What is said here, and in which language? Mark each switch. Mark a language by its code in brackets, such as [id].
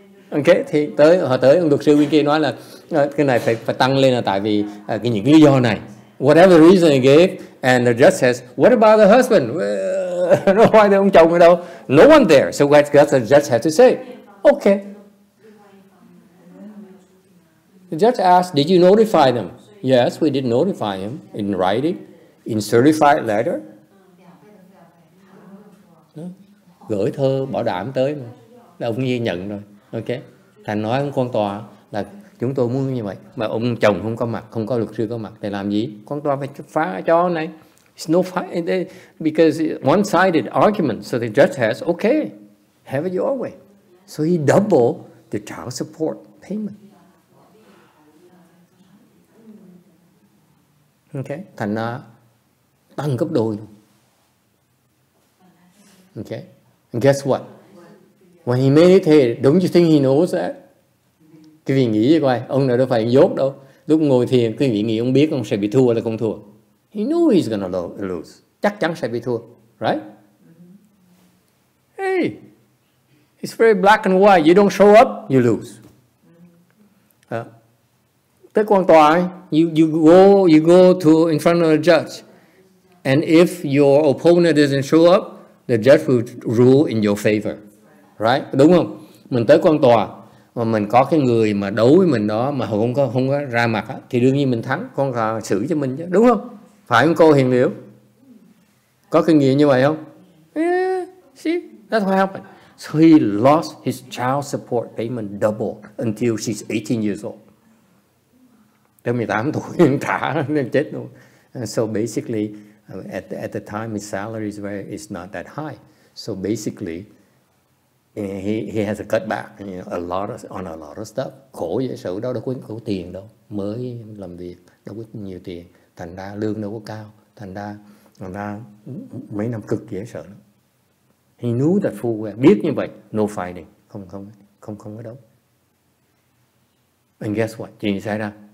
[vi] Okay, thì tới họ tới ông luật sư bên kia nói là cái này phải tăng lên là tại vì cái những lý do này. [en] Whatever reason he gave, and the judge says, "What about the husband?" Why the [vi] ông chồng ở đâu? [en] No one there. So what does the judge have to say? Okay. The judge asked, "Did you notify them?" Yes, we did notify him in writing, in certified letter. [vi] Gửi thơ bảo đảm tới mà. Là ông ghi nhận rồi. Okay. Thành nói với con tòa là chúng tôi muốn như vậy. Mà ông chồng không có mặt, không có luật sư có mặt. Thì làm gì? Con tòa phải phá cho này. [en] It's no fight because one-sided argument. So the judge has, okay, have it your way. So he doubled the child support payment. [vi] Okay, thành ra tăng gấp đôi. [en] Okay, and guess what? When he meditated, don't you think he knows that? [vi] Quý vị nghĩ coi, ông này đâu phải dốt đâu. Lúc ngồi thiền, quý vị nghĩ ông biết ông sẽ bị thua hay là không thua. [en] He knew he's gonna lose. [vi] Chắc chắn sẽ bị thua, [en] right? Mm-hmm. Hey, it's very black and white. You don't show up, you lose. [vi] Tới quan tòa, [en] you go to in front of the judge, and if your opponent doesn't show up, the judge will rule in your favor, right? [vi] Đúng không? Mình tới quan tòa mà mình có cái người mà đấu với mình đó mà không có ra mặt á, thì đương nhiên mình thắng, con tòa xử cho mình chứ, đúng không? Phải không cô Hiền Liễu? Có kinh nghiệm như vậy không? [en] Yeah, see, that's what happened. So he lost his child support payment double until she's 18 years old. [vi] Tới 18 tuổi, trả, nên chết luôn. [en] And so basically, at the time, his salary is not that high. So basically, he has a cutback, you know, on a lot of stuff. [vi] Khổ vậy, sự đó đâu có tiền đâu. Mới làm việc, đâu có nhiều tiền. Thành ra lương đâu có cao. Thành ra mấy năm cực dễ sợ lắm. [en] He knew that full well. [vi] Biết như vậy. [en] No fighting. [vi] Không có đâu. [en] And guess what? [vi] Chuyện gì xảy ra?